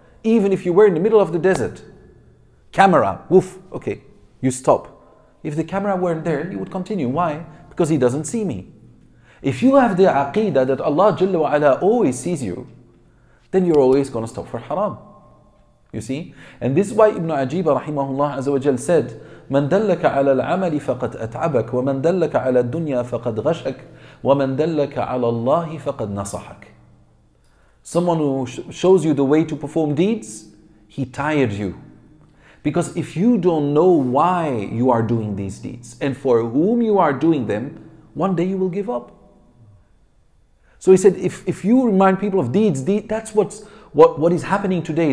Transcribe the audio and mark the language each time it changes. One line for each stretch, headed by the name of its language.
English: Even if you were in the middle of the desert, camera, woof, okay, you stop. If the camera weren't there, you would continue. Why? Because he doesn't see me. If you have the aqeedah that Allah Jalla wa Ala always sees you, then you're always going to stop for haram. You see? And this is why Ibn Ajiba rahimahullah azza wa jal said,
Arabic: مَنْ دَلَّكَ عَلَى الْعَمَلِ فَقَدْ أَتْعَبَكَ وَمَنْ دَلَّكَ عَلَى الدُّنْيَا فَقَدْ غَشَكَ وَمَنْ دَلَّكَ عَلَى اللَّهِ فَقَدْ نَصَحَكَ.
English: Someone who shows you the way to perform deeds, he tired you. Because if you don't know why you are doing these deeds and for whom you are doing them, one day you will give up. So he said, if you remind people of deeds, that's what is happening today.